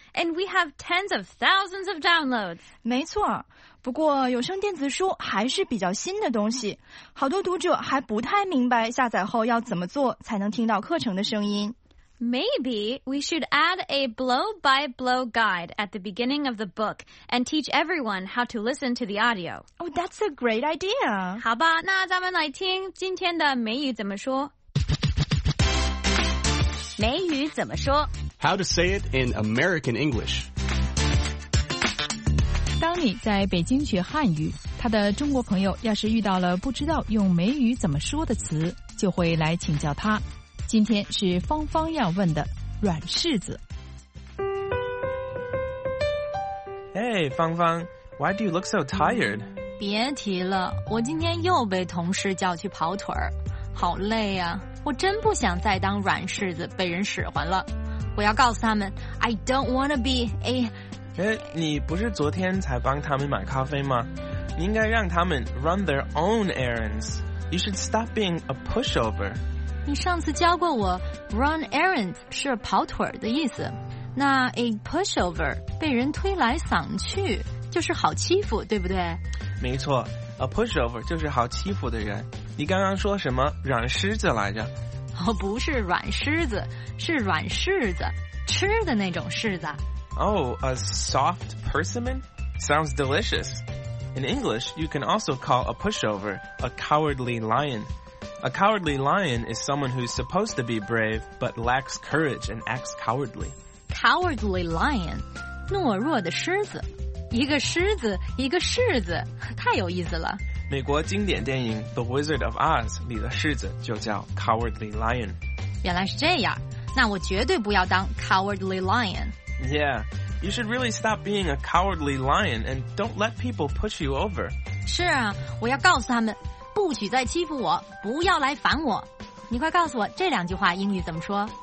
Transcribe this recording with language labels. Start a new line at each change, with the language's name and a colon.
English: And we have tens of thousands of downloads!
Chinese: 没错，不过有声电子书还是比较新的东西，好多读者还不太明白下载后要怎么做才能听到课程的声音。
English: Maybe we should add a blow-by-blow guide at the beginning of the book and teach everyone how to listen to the audio. Oh, that's a great idea.
Chinese: 好吧，那咱们来听今天的美语怎么说。美语怎么说？
English: How to say it in American English.
Chinese: 当你在北京学汉语，他的中国朋友要是遇到了不知道用美语怎么说的词，就会来请教他。今天是芳芳要问的软柿子。
English: Hey, 芳芳, why do you look so tired?
Chinese: 别提了，我今天又被同事叫去跑腿儿，好累啊，我真不想再当软柿子被人使唤了。我要告诉他们
English: I don't wanna be a...
Chinese: 你不是昨天才帮他们买咖啡吗？你应该让他们
English: run their own errands. You should stop being a pushover.
Chinese: 你上次教过我
English: run errands
Chinese: 是跑腿的意思，那 a pushover 被人推来搡去就是好欺负，对不对？没错， a pushover 就是好欺负的人。你刚刚说什么软狮子来着？哦，不是软狮子，是软柿子，吃的那种柿子。
English: Oh, a soft persimmon? Sounds delicious. In English, you can also call a pushover a cowardly lion. A cowardly lion is someone who's supposed to be brave, but lacks courage and acts cowardly.
Chinese: Cowardly lion, 懦弱的狮子。一个狮子，一个柿子，太有意思了。美国经典电影《The Wizard of Oz》里的柿子就叫 Cowardly Lion。原来是这样，那我绝对不要当 Cowardly Lion。
English: Yeah, you should really stop being a Cowardly Lion and don't let people push you over.
Chinese: 是啊，我要告诉他们，不许再欺负我，不要来烦我。你快告诉我这两句话英语怎么说？